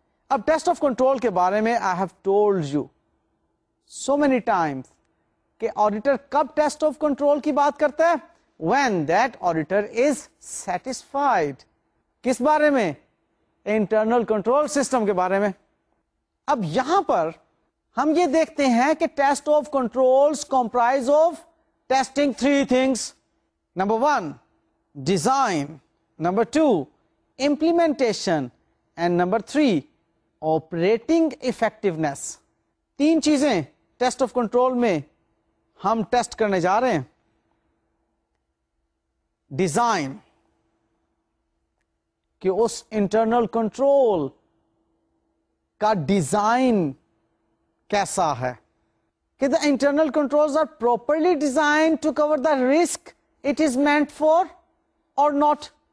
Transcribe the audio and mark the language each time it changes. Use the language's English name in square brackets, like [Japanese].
[English] اب test of control [Urdu] کے بارے میں [English] I have told you so many times [Urdu] کہ آڈیٹر کب ٹیسٹ آف کنٹرول کی بات کرتا ہے، [English] When that auditor is satisfied. [Urdu] کس بارے میں؟ انٹرنل کنٹرول سسٹم کے بارے میں. اب یہاں پر ہم یہ دیکھتے ہیں کہ [English] Test of control comprise of testing three things. Number one, design, number 2 implementation, and number 3 operating effectiveness. [Urdu] تین چیزیں ٹیسٹ آف کنٹرول میں ہم ٹیسٹ کرنے جا رہے ہیں. [English] design, [Urdu] کہ اس انٹرنل کنٹرول کا ڈیزائن کیسا ہے, [English] کہ the internal controls are properly design to cover the risk it is meant for or not.